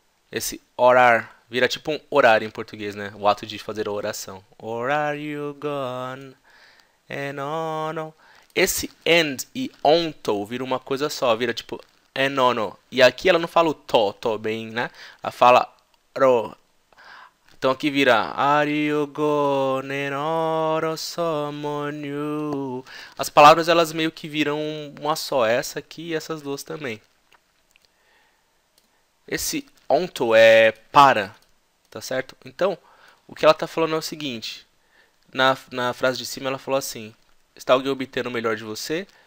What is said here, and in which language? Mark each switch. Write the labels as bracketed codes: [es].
[pt] Esse or are vira tipo um horário em português, né? O ato de fazer a oração. [en] Or are you gone and on? [pt] Esse and e onto vira uma coisa só, vira tipo and on. E aqui ela não fala o to bem, né? Ela fala ro. Então aqui vira [en] are you gone and on or someone new? [pt] As palavras elas meio que viram uma só, essa aqui e essas duas também. Esse onto é para, tá certo? Então, o que ela tá falando é o seguinte. Na frase de cima ela falou assim: está alguém obtendo o melhor de você?